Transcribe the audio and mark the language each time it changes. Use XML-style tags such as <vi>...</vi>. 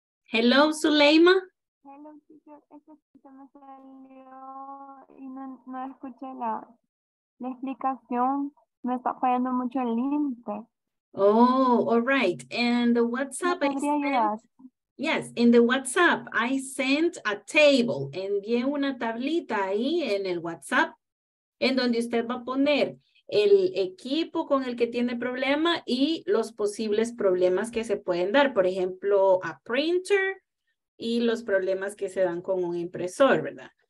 <en>Hello, Suleyma. Hello, teacher.</en> <es>Eso se me salió y no escuché la... La explicación, me está fallando mucho el link.</es> <en>Oh, all right. And the WhatsApp, I sent, yes, in the WhatsApp, I sent a table.</en> <es>Envié una tablita ahí en el WhatsApp, en donde usted va a poner el equipo con el que tiene problema y los posibles problemas que se pueden dar. Por ejemplo,</es> <en>a printer</en> <es>y los problemas que se dan con un impresor, ¿verdad?</es>